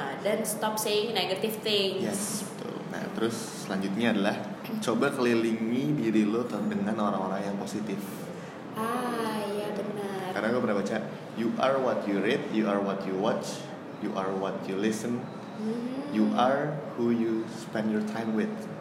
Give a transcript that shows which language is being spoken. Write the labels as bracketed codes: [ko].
[id] Dan [en] stop saying negative things. Yes, [id] betul. Nah, terus selanjutnya adalah coba kelilingi diri lu dengan orang-orang yang positif. Iya benar. Karena gue pernah baca, [en] "You are what you read, you are what you watch, you are what you listen, you are who you spend your time with."